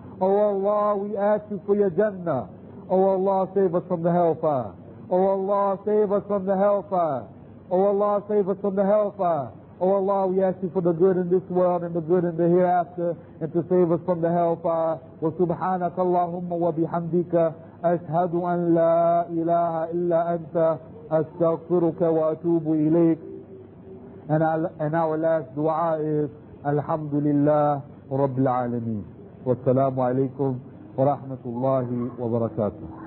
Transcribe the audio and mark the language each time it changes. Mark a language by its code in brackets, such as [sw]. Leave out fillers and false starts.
[en] Oh Allah, we ask You for Your Jannah. Oh Allah, save us from the hellfire. Oh Allah, save us from the hellfire. Oh Allah, save us from the hellfire. Oh Allah, we ask You for the good in this world and the good in the hereafter, and to save us from the hellfire. [ar] Wa subhanaka Allahumma wa bihamdika. أشهد أن لا إله إلا أنت أستغفرك وأتوب إليك. [en] And our last dua is [ar] الحمد لله رب العالمين. والسلام عليكم ورحمة الله وبركاته.